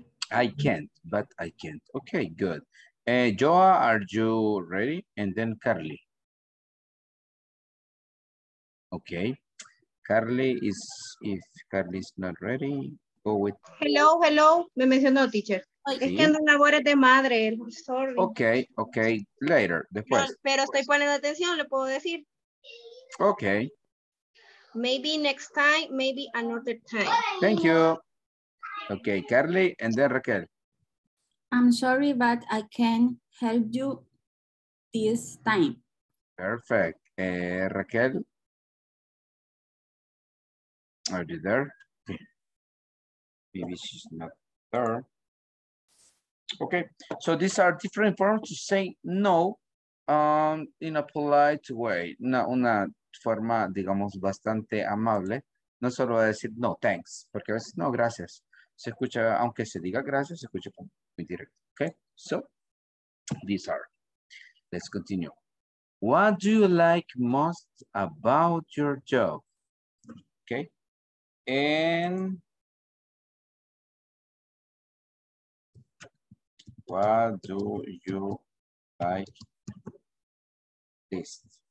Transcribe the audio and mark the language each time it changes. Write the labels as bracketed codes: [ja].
[en] I can't, but I can't. Okay, good. Joa, are you ready? And then Carly. Okay, if Carly is not ready, go with. [es] Hello, me mencionó teacher. Sí. Es que ando en labores de madre, [en] sorry. Okay, later, [es] después. [en] No, [es] pero estoy poniendo atención, le puedo decir. [en] Okay. Maybe next time, maybe another time. Thank you. Okay, Carly, and then Raquel. I'm sorry, but I can't help you this time. Perfect, Raquel. Are you there? Maybe she's not there. Okay, so these are different forms to say no in a polite way. [es] Una forma, digamos, bastante amable. No solo decir [en] no, thanks, [es] porque a veces no, gracias. Se escucha, aunque se diga gracias, se escucha muy directo. [en] Okay, so these are. Let's continue. What do you like most about your job? Okay. And What do you like best?